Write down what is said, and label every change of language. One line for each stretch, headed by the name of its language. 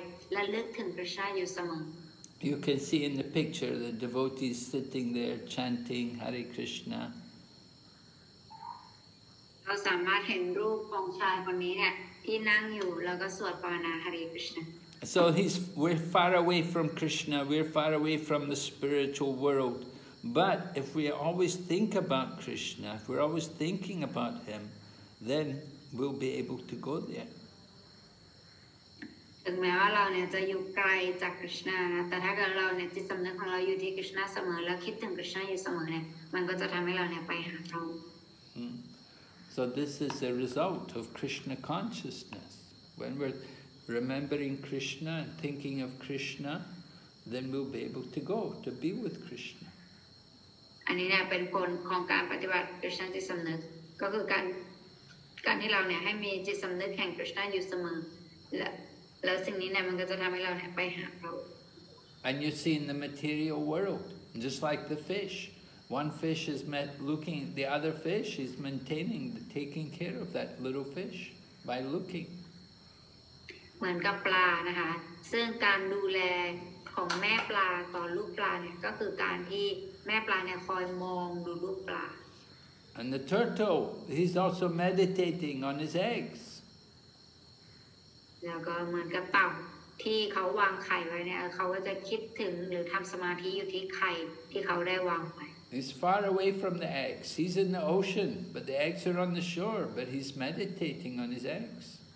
English: You can see in the picture the devotee is sitting there chanting Hare Krishna.
Thai: เราสามารถเห็นรูปของชายคนนี้เนี่ยที่นั่งอยู่แล้วก็สวดภาวนาฮาริคริชนา
English: So we're far away from Krishna, we're far away from the spiritual world. But if we always think about Krishna, if we're always thinking about him, then we'll be able to go there.
Thai: ถึงแม้ว่าเราเนี่ยจะอยู่ไกลจากคริชนานะแต่ถ้าเกิดเราเนี่ยจิตสำนึกของเราอยู่ที่คริชนาเสมอแล้วคิดถึงคริชนาอยู่เสมอเนี่ยมันก็จะทำให้เราเนี่ยไปหาเขา
English: So this is the result of Krishna consciousness. When we're remembering Krishna and thinking of Krishna, then we'll be able to go, to be with Krishna. And this is the result of Krishna consciousness. That is, when we have the consciousness of Krishna, then this will make us go to Him. And you see in the material world, just like the fish,One fish is looking at the other fish, he's maintaining, taking care of that little fish by looking.
Thai: เหมือนกับปลานะคะซึ่งการดูแลของแม่ปลาต่อลูกปลาเนี่ยก็คือการที่แม่ปลาเนี่ยคอยมองดูลูกปลา
English: And the turtle, he's also meditating on his eggs.
Thai: แล้วก็เหมือนกับเต่าที่เขาวางไข่ไว้เนี่ยเขาก็จะคิดถึงหรือทำสมาธิอยู่ที่ไข่ที่เขาได้วางไว้
English: He's far away from the eggs. He's in the ocean, but the eggs are on the shore, but he's meditating on his eggs.